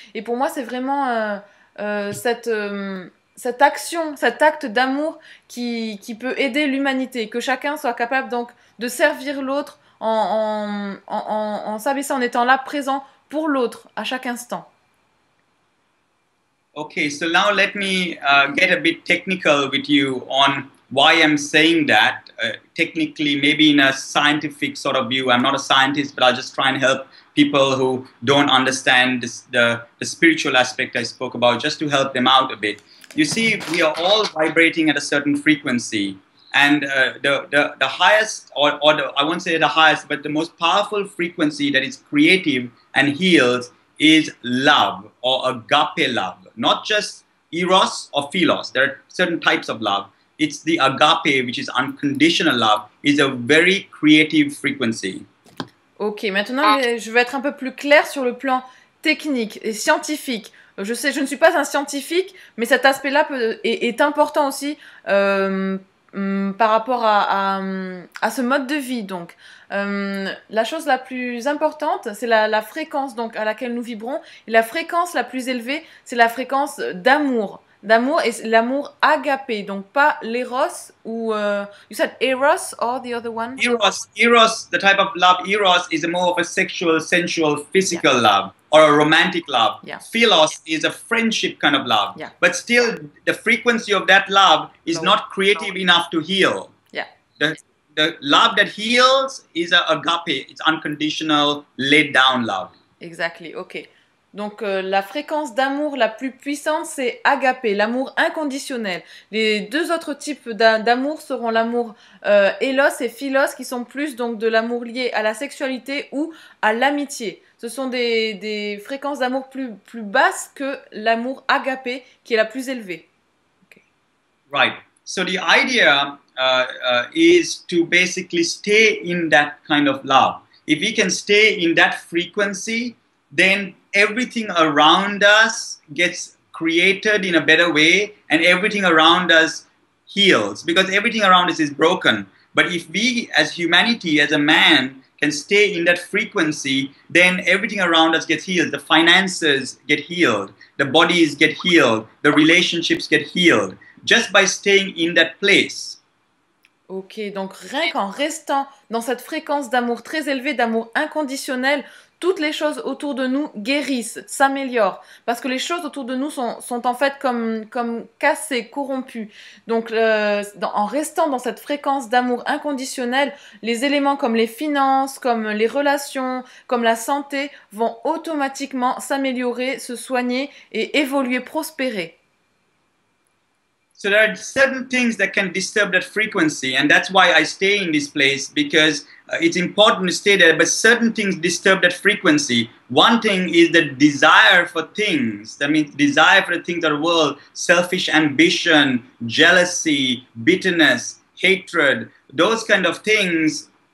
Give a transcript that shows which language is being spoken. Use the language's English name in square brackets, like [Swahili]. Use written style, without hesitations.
[French] Et pour moi, c'est vraiment cette action, cet acte d'amour qui peut aider l'humanité, que chacun soit capable donc de servir l'autre en s'abaissant, en étant là présent pour l'autre à chaque instant. [English] Okay, so now let me get a bit technical with you on why I'm saying that, technically, maybe in a scientific sort of view. I'm not a scientist, but I'll just try and help people who don't understand the spiritual aspect I spoke about, just to help them out a bit. You see, we are all vibrating at a certain frequency, and the highest, or the, I won't say the highest, but the most powerful frequency that is creative and heals is love, or agape love, not just eros or philos. There are certain types of love. It's the agape, which is unconditional love, is a very creative frequency. [French] Ok, maintenant je vais être un peu plus clair sur le plan technique et scientifique. Je sais, je ne suis pas un scientifique, mais cet aspect-là est important aussi par rapport à ce mode de vie. Donc, la chose la plus importante, c'est la fréquence donc à laquelle nous vibrons. Et la fréquence la plus élevée, c'est la fréquence d'amour. D'amour et l'amour agapé, donc pas l'eros ou... [English] you said eros or the other one? Eros, the type of love, eros is a more of a sexual, sensual, physical yeah. love or a romantic love. Yeah. Philos yeah. is a friendship kind of love. Yeah. But still, the frequency of that love is not creative enough to heal. Yeah. The love that heals is a agape, it's unconditional, laid down love. Exactly, okay. [French] Donc la fréquence d'amour la plus puissante, c'est agapé, l'amour inconditionnel. Les deux autres types d'amour seront l'amour élos et philos, qui sont plus donc de l'amour lié à la sexualité ou à l'amitié. Ce sont des fréquences d'amour plus basses que l'amour agapé, qui est la plus élevée. Okay. Right. [English] So the idea is to basically stay in that kind of love. If we can stay in that frequency, then everything around us gets created in a better way, and everything around us heals, because everything around us is broken. But if we as humanity, as a man, can stay in that frequency, then everything around us gets healed. The finances get healed, the bodies get healed, the relationships get healed, just by staying in that place. [French] Ok, donc rien qu'en restant dans cette fréquence d'amour très élevée, d'amour inconditionnel, toutes les choses autour de nous guérissent, s'améliorent, parce que les choses autour de nous sont en fait comme cassées, corrompues. Donc en restant dans cette fréquence d'amour inconditionnel, les éléments comme les finances, comme les relations, comme la santé vont automatiquement s'améliorer, se soigner et évoluer, prospérer. [English] So there are certain things that can disturb that frequency, and that's why I stay in this place, because it's important to stay there, but certain things disturb that frequency. One thing is the desire for things. That means desire for the things of the world, selfish ambition, jealousy, bitterness, hatred. Those kind of things